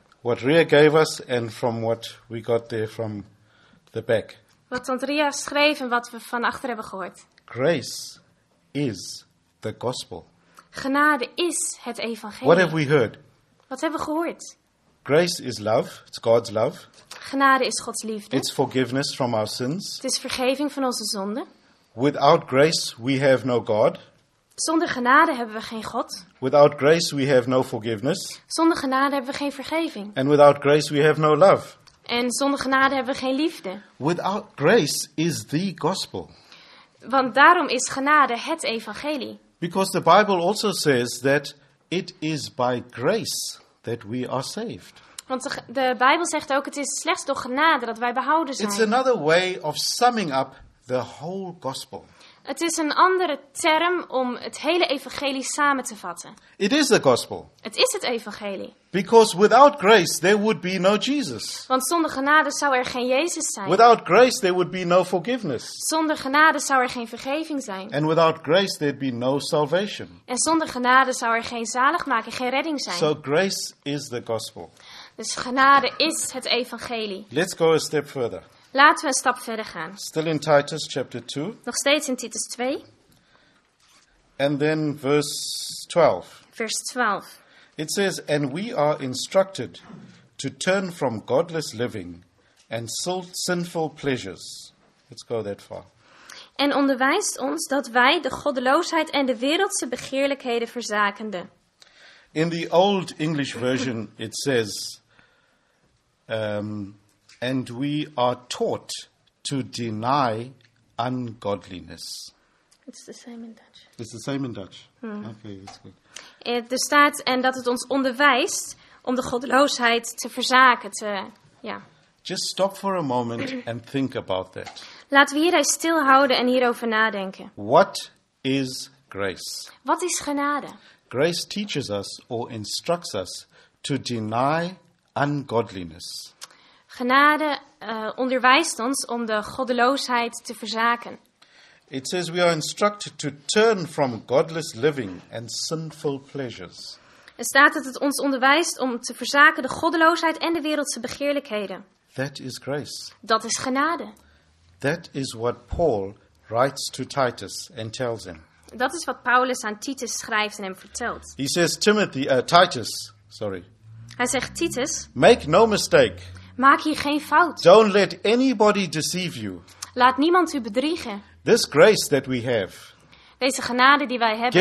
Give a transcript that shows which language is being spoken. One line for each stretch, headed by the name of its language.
English: What Ria gave us and from what we got there from the back.
Dutch: Wat Tante Ria schreef en wat we van achter hebben gehoord.
English: Grace is the gospel.
Dutch: Genade is het evangelie.
English: What have we heard?
Dutch: Wat hebben we gehoord?
English: Grace is love. It's God's love.
Dutch: Genade is Gods liefde.
English: It's forgiveness from our sins.
Dutch: Het is vergeving van onze zonden.
English: Without grace we have no God.
Dutch: Zonder genade hebben we geen God.
English: Without grace we have no forgiveness.
Dutch: Zonder genade hebben we geen vergeving.
English: And without grace we have no love.
Dutch: En zonder genade hebben we geen liefde.
English: Without grace is the gospel.
Dutch: Want daarom is genade het evangelie.
English: Because the Bible also says that it is by grace that we are saved.
Dutch: Want de Bijbel zegt ook, het is slechts door genade dat wij behouden zijn.
English: It's another way of summing up the whole gospel.
Dutch: Het is een andere term om het hele evangelie samen te vatten.
English: It is the gospel.
Dutch: Het is het evangelie.
English: Because without grace there would be no Jesus.
Dutch: Want zonder genade zou er geen Jezus zijn.
English: Without grace there would be no forgiveness.
Dutch: Zonder genade zou er geen vergeving zijn.
English: And without grace there'd be no salvation.
Dutch: En zonder genade zou er geen zaligmaking, geen redding zijn.
English: So grace is the gospel.
Dutch: Dus genade is het evangelie.
English: Let's go a step further.
Dutch: Laten we een stap verder gaan.
English: Still in Titus chapter 2.
Dutch: Nog steeds in Titus 2.
English: And then verse 12.
Dutch: Vers 12.
English: It says, and we are instructed to turn from godless living and sinful pleasures. Let's go that far.
Dutch: En onderwijst ons dat wij de goddeloosheid en de wereldse begeerlijkheden verzakenden.
English: In the old English version it says, and we are taught to deny ungodliness. It's the same in Dutch. It's the same in Dutch. Hmm. Okay, that's good.
Dutch: Er staat en dat het ons onderwijst om de goddeloosheid te verzaken.
English: Just stop for a moment and think about that.
Dutch: Laten we hier even stilhouden en hierover nadenken.
English: What is grace?
Dutch: Wat is genade?
English: Grace teaches us or instructs us to deny ungodliness.
Dutch: Genade onderwijst ons om de goddeloosheid te verzaken.
English: It says we are instructed to turn from godless living and sinful pleasures.
Dutch: Er staat dat het ons onderwijst om te verzaken de goddeloosheid en de wereldse begeerlijkheden.
English: That is grace.
Dutch: Dat is genade.
English: That is what Paul writes to Titus and tells him.
Dutch: Dat is wat Paulus aan Titus schrijft en hem vertelt.
English: He says Timothy, Titus, sorry.
Dutch: Hij zegt Titus.
English: Make no mistake.
Dutch: Maak hier geen fout.
English: Don't let anybody deceive you.
Dutch: Laat niemand u bedriegen.
English: This grace that we have.
Dutch: Deze genade die wij hebben.